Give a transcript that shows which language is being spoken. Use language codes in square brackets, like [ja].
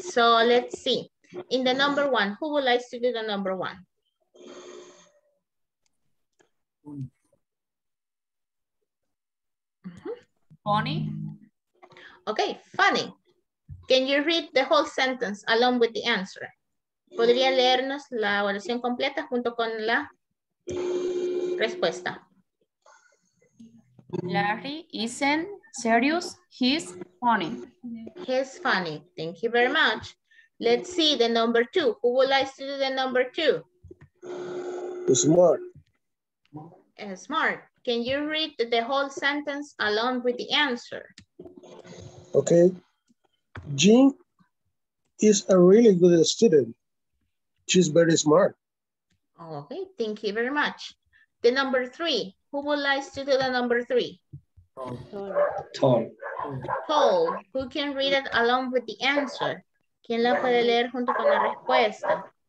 [en] So let's see. In the number one, who would like to do the number one? Mm-hmm. Funny. Okay, funny. Can you read the whole sentence along with the answer? [es] ¿Podría leernos la oración completa junto con la respuesta? [en] Larry isn't serious, he's funny. He's funny, thank you very much. Let's see the number two. Who would like to do the number two? Smart. Smart. Can you read the whole sentence along with the answer? Okay. Jean is a really good student. She's very smart. Okay, thank you very much. The number three. Who would like to do the number three? Tom. Tom. Who can read it along with the answer? [es] ¿Quién la puede leer junto con la respuesta?